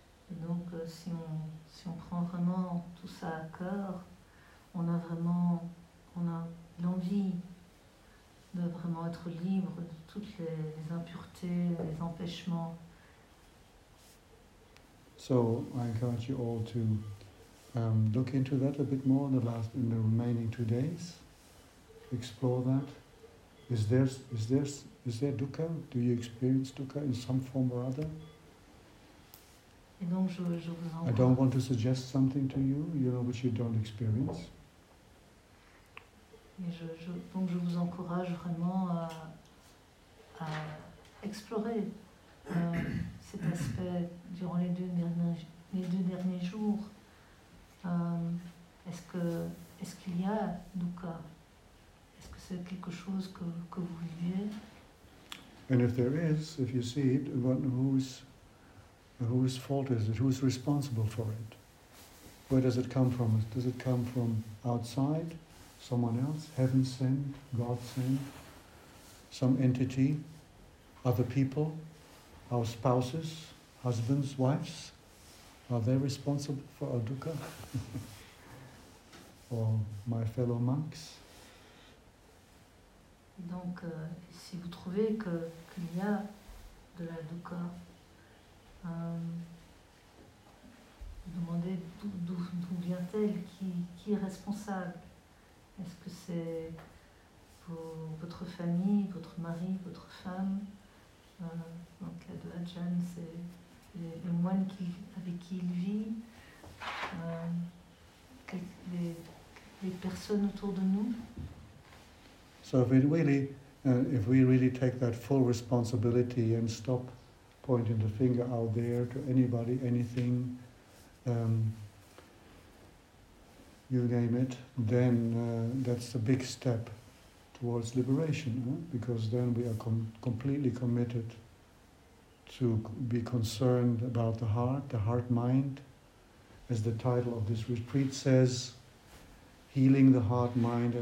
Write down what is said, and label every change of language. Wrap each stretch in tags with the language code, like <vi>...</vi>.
<fr>Et donc si on prend vraiment tout ça à cœur, on a l'envie de vraiment être libre de toutes les impuretés, les empêchements.</fr> <en>So I encourage you all to look into that a bit more in the remaining 2 days. Explore that. Is there dukkha? Do you experience dukkha in some form or other?</en> <fr>Et donc je vous</fr> <en>I don't want to suggest something to you, you know, which you don't experience.</en> <fr>Je vous encourage vraiment à explorer cet aspect durant les deux derniers jours. Est-ce qu'il y a dukkha? Est-ce que c'est quelque chose que vous vivez?</fr> <en>And if there is, if you see it, whose fault is it? Who's responsible for it? Where does it come from? Does it come from outside, someone else, heaven sent, God sent, some entity, other people, our spouses, husbands, wives? Are they responsible for our dukkha? or my fellow monks.</en> <fr>Donc, si vous trouvez que qu'il y a de la dukkha, vous demandez d'où vient-elle, qui est responsable? Est-ce que c'est votre famille, votre mari, votre femme? Donc la Dajan, c'est les moines avec qui il vit, les personnes autour de nous.</fr> <en>So if we really, take that full responsibility and stop pointing the finger out there to anybody, anything, you name it, then that's a big step towards liberation, because then we are completely committed to be concerned about the heart mind, as the title of this retreat says, healing the heart mind.</en>